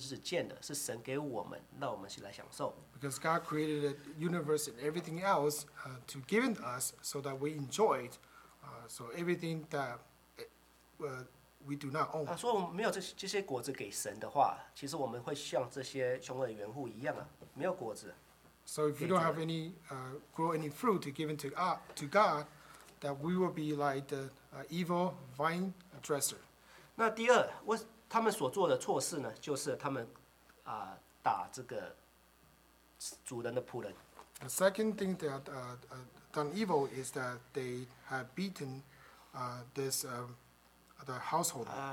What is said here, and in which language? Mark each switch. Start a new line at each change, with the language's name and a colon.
Chinese: 因为神创造这宇宙万物啊，真的就是要让我们是租的，这一切东西不是我们自己造的，也不是自己建的，是神给我们，那我们是来享受。
English: Because God created the universe and everything else to give us so that we enjoy it. So everything that we do not own.
Chinese: 所以没有这些果子给神的话，其实我们会像这些穷人园户一样啊，没有果子。
English: So if we don't have any grow any fruit to give to God, that we will be like the evil vine dresser.
Chinese: 那第二，他们所做的错事呢，就是他们打这个主人的仆人。
English: The second thing that done evil is that they have beaten this the household.